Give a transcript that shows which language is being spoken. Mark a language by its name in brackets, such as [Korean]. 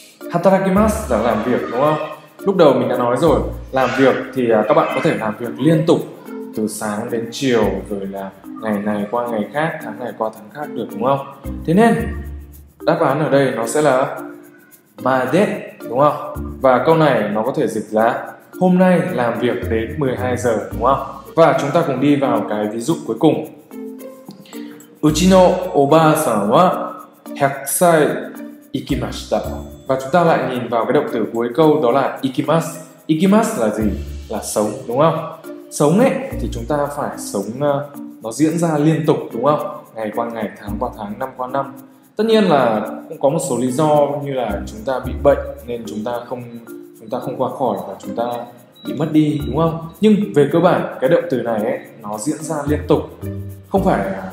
[Vietnamese] 働きます là làm việc, đúng không? Lúc đầu mình đã nói rồi, làm việc thì các bạn có thể làm việc liên tục từ sáng đến chiều, rồi là ngày này qua ngày khác, tháng này qua tháng khác được, đúng không? Thế nên đáp án ở đây nó sẽ là ma đế, đúng không? Và câu này nó có thể dịch là hôm nay làm việc đến 12 giờ, đúng không? Và chúng ta cùng đi vào cái ví dụ cuối cùng. [Japanese] うちのおばあさんは100歳行きました。 [Vietnamese] Và chúng ta lại nhìn vào cái động từ cuối câu đó là 行きます。 行きます là gì? Là sống, đúng không? Sống ấy thì chúng ta phải sống, nó diễn ra liên tục, đúng không? Ngày qua ngày, tháng qua tháng, năm qua năm. Tất nhiên là cũng có một số lý do như là chúng ta bị bệnh nên chúng ta không qua khỏi và chúng ta bị mất đi, đúng không? Nhưng về cơ bản cái động từ này ấy, nó diễn ra liên tục, không phải